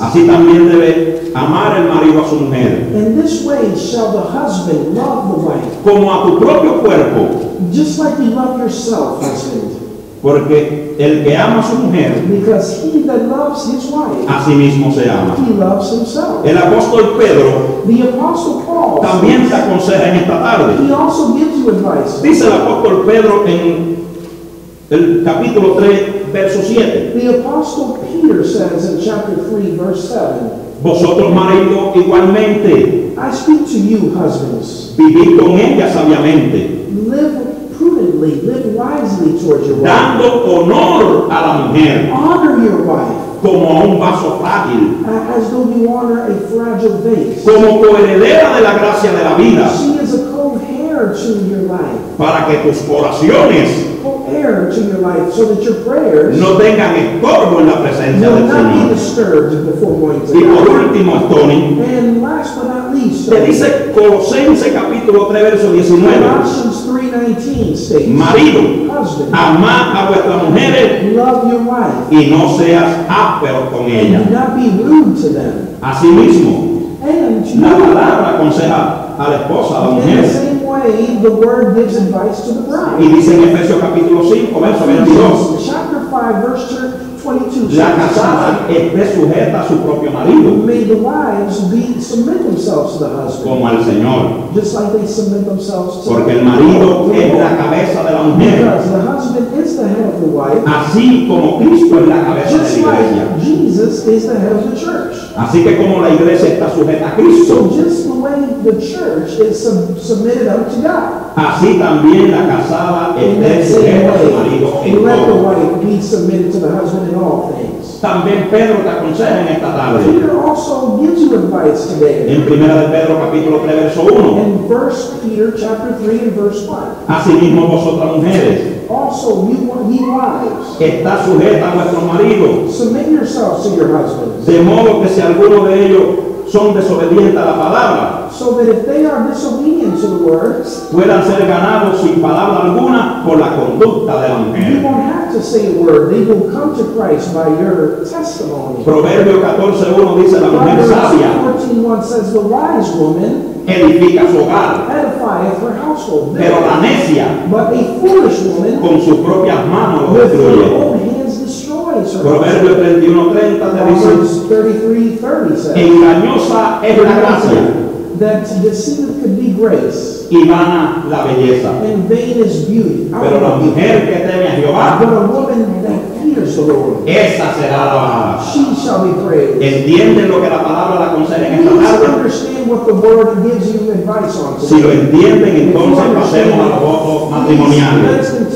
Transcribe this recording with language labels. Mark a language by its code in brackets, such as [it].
[es] Así también debe amar el marido a su mujer. [en] In this way shall the husband love the wife, [es] como a tu propio cuerpo, [en] just like you love yourself, husband. [es] Porque el que ama a su mujer, [en] because he that loves his wife, [es] a sí mismo se ama. [en] He loves himself. [es] El apóstol Pedro, [en] the apostle Paul, [es] también te aconseja en esta tarde. [en] He also gives you advice. [es] Dice el apóstol Pedro en el capítulo 3, verso 7. [en] The apostle Peter says in chapter 3, verse 7. [es] Vosotros maridos igualmente, [en] I speak to you, husbands, [es] vivid con ella sabiamente. [en] Live wisely towards your wife. [es] Dando honor a la mujer. [en] Honor your wife. [es] Como a un vaso frágil. [en] As though you honor a fragile vase. [es] Como coheredera de la gracia de la vida. [en] She is a co-heir to your life. [es] Para que tus oraciones, [en] co-heir to your life, so that your prayers [es] no tengan estorbo en la presencia del Señor. [en] Will not be disturbed before going to God. [es] Y por último, Tony. [en] And last but not least, [es] Te dice Colosenses capítulo 3 verso 19. [en] Colossians 3:19 says, [es] marido, amad a vuestras mujeres, [en] love your wife, [es] y no seas áspero con ellas. [en] And do not be rude to them. [es] Asimismo, [en] and [es] la palabra aconseja a la esposa, a la mujer. [en] In the same way, the word gives advice to the bride. [es] Y dice en Efesios capítulo 5 verso 22. [en] Chapter 5 verse 22. [es] La casada esté sujeta a su propio marido. [en] May the wives be submit themselves to the husband. [es] Como al Señor. [en] Just like they submit themselves to. [es] Porque el marido es la cabeza de la mujer. [en] Because the husband is the head of the wife. [es] Así como Cristo es la cabeza [en] just [es] de la iglesia. [en] Like Jesus is the head of the church. [es] Así que como la iglesia está sujeta a Cristo. [en] So just the way the church is submitted unto God. [es] Así también la casada esté sujeta a su marido en todo. [en] Let the wife be submitted to the husband in all things. [es] También Pedro te aconseja en esta tarde. [en] Peter also gives you advice today. [es] En primera de Pedro capítulo 3 verso 1. [en] In 1 Peter chapter 3 and verse 1. [es] Así mismo vosotras mujeres. [en] Also you wives. [es] Está sujeta a vuestro marido. [en] Submit yourselves to your husbands. [es] De modo que si alguno de ellos son desobedientes a la palabra. [en] So that if they are disobedient to the words, [es] puedan ser ganados sin palabra alguna por la conducta de la mujer. [en] You won't have to say a word. They will come to Christ by your testimony. [es] Proverbio 14:1 dice la mujer sabia. [en] 14:1 says the wise woman [es] edifica su hogar. [en] Edifieth her household. [es] Pero la necia, [en] but a foolish woman, [es] con sus propias manos lo destruye. Proverbio 31:30 te dice, [en] 33:30 says, [es] engañosa es la gracia, [en] that deceiveth could be grace, [es] y vana la belleza, [en] and vain is beauty. [es] Pero la mujer que teme a Jehová, [en] but a woman that fears the Lord, [es] esa será alabada. [en] She shall be praised. [es] ¿Entienden lo que la palabra la aconseja en esta tarde? [en] Please understand what the word gives you advice on. [es] Si lo entienden, entonces pasemos a los votos matrimoniales.